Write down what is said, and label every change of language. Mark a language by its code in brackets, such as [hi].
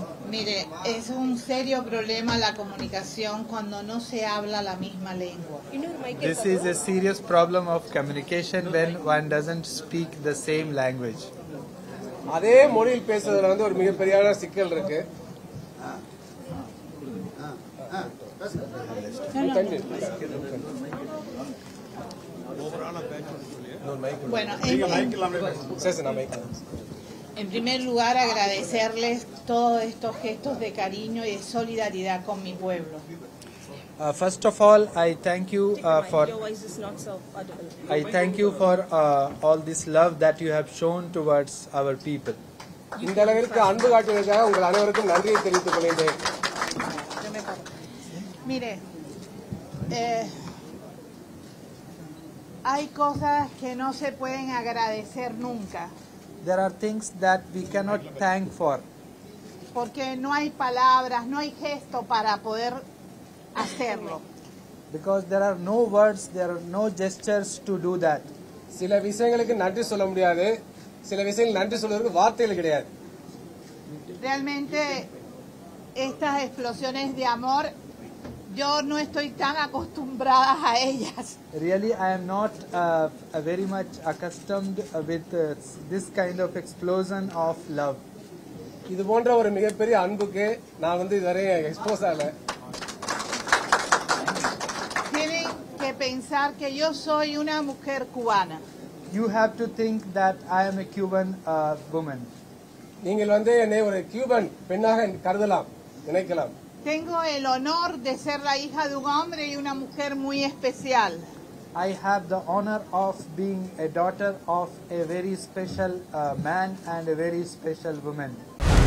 [es] Mire, es un serio problema la comunicación cuando no se habla la misma lengua. [en] This is a serious problem of communication when one doesn't speak the same language. [ta] அதே மொழியில் பேசுறதுல வந்து ஒரு மிகப்பெரிய சிக்கல் இருக்கு. [es] En primer lugar, agradecerles todos estos gestos de cariño y de solidaridad con mi pueblo. [en] First of all, I thank you for all this love that you have shown towards our people. [ta] இந்த அளவிற்கு அன்பு காட்டியதற்காக உங்கள் அனைவருக்கும் நன்றி தெரிவித்துக் கொள்கிறேன். [es] Mire, hay cosas que no se pueden agradecer nunca. [en] There are things that we cannot thank for. [es] Porque no hay palabras, no hay gesto para poder hacerlo. [en] Because there are no words, there are no gestures to do that. [ta] சில விஷயங்களுக்கு நன்றி சொல்ல முடியாது. சில விஷயங்கள் நன்றி சொல்றதுக்கு வார்த்தைகள் கிடையாது. [es] Realmente estas explosiones de amor yo no estoy tan acostumbrada a ellas. [en] Really, I am not very much accustomed with this kind of explosion of love. [ta] இது போன்ற ஒரு மிகப்பெரிய அன்புக்கு நான் வந்து இதுவரை எக்ஸ்போஸ் ஆகல. [es] Tienen que pensar que yo soy una mujer cubana. [en] You have to think that I am a Cuban woman. [ta] நீங்கள் வந்து என்னை ஒரு கியூபன் பெண்ணாக கருதலாம், நினைக்கலாம். [es] Tengo el honor de ser la hija de un hombre y una mujer muy especial. [en] I have the honor of being a daughter of a very special man and a very special woman.